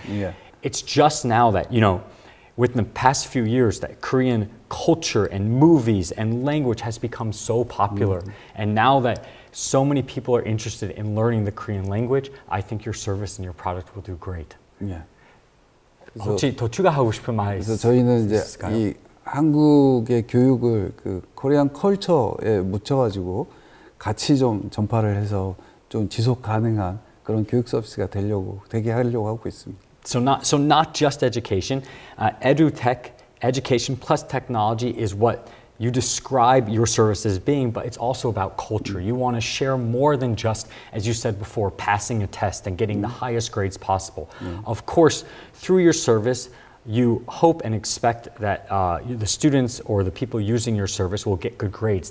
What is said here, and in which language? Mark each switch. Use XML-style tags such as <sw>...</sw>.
<en>Yeah. It's just now that, you know, within the past few years, that Korean culture and movies and language has become so popular. And now that so many people are interested in learning the Korean language, I think your service and your product will do great. Yeah.</en> <ko>혹시 더 추가하고 싶은 말이 있을까요? 저희는 이제 이 한국의 교육을 그 코리안 컬처에 묻혀가지고 같이 좀 전파를 해서 좀 지속 가능한 그런 교육 서비스가 되려고 되게 하려고 하고 있습니다.</ko> <en>So not just education, edutech, education plus technology is what you describe your service as being, but it's also about culture. You want to share more than just, as you said before, passing a test and getting the highest grades possible. Of course, through your service, you hope and expect that the students or the people using your service will get good grades.</en>